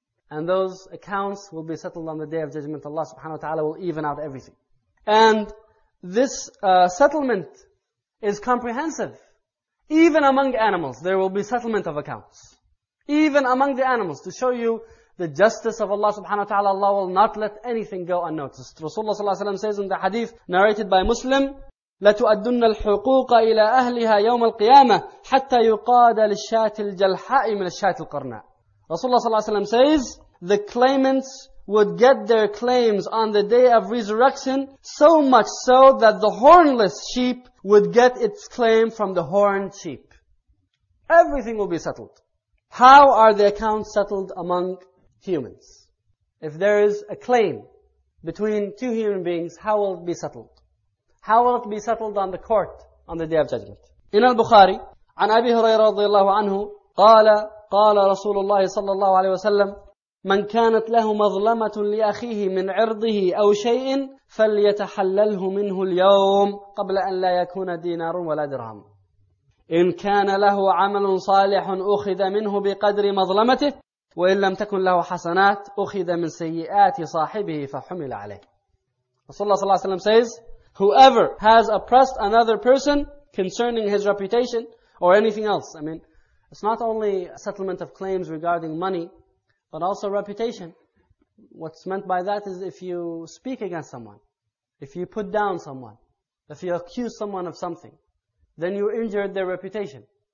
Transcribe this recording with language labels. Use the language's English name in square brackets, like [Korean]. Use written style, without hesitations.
[English] And those accounts will be settled on the day of judgment. Allah subhanahu wa ta'ala will even out everything. And this settlement is comprehensive. Even among animals, there will be settlement of accounts. Even among the animals, to show you the justice of Allah subhanahu wa ta'ala, Allah will not let anything go unnoticed. [Arabic] Rasulullah sallallahu alayhi wa sallam [English] says in the hadith narrated by Muslim, [Arabic] لَتُؤَدُّنَّ الْحُقُوقَ إِلَىٰ أَهْلِهَا يَوْمَ الْقِيَامَةِ حَتَّى يُقَادَ لِلشَّاتِ الْجَلْحَاءِ مِنَ الشَّاتِ الْقَرْنَاءِ. [English] Rasulullah ﷺ says, the claimants would get their claims on the day of resurrection so much so that the hornless sheep would get its claim from the horned sheep. Everything will be settled. How are the accounts settled among humans? If there is a claim between two human beings, how will it be settled? How will it be settled on the court on the day of judgment? [Arabic] In al-Bukhari, عن أبي هريرة رضي الله عنه قال قال رسول الله صلى الله عليه وسلم من كانت له مظلمة لأخيه من عرضه أو شيء فليتحلله منه اليوم قبل أن لا يكون دينار ولا درهم إن كان له عمل صالح أخذ منه بقدر مظلمته وإن لم تكن له حسنات أخذ من سيئات صاحبه فحمل عليه. [English] رسول الله صلى الله عليه وسلم says, whoever has oppressed another person concerning his reputation or anything else, I mean, it's not only a settlement of claims regarding money, but also reputation. What's meant by that is if you speak against someone, if you put down someone, if you accuse someone of something, then you injured their reputation.